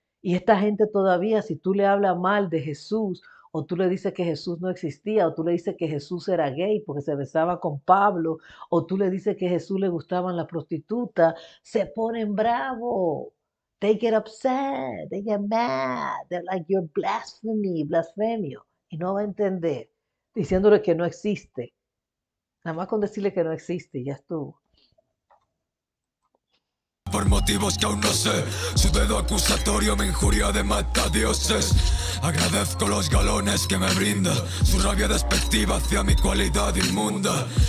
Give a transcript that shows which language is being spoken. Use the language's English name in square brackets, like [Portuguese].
[Spanish] Y esta gente todavía, si tú le hablas mal de Jesús, o tú le dices que Jesús no existía, o tú le dices que Jesús era gay porque se besaba con Pablo, o tú le dices que Jesús le gustaban las prostitutas, se ponen bravo. [English] They get upset, they get mad, they're like, you're blasphemy, blasfemio. [Spanish] Y no va a entender, diciéndole que no existe. Nada más con decirle que no existe, ya estuvo. Por motivos que aún no sé, su dedo acusatorio me injuria de matadioses. Agradezco los galones que me brinda, su rabia despectiva hacia mi cualidad inmunda.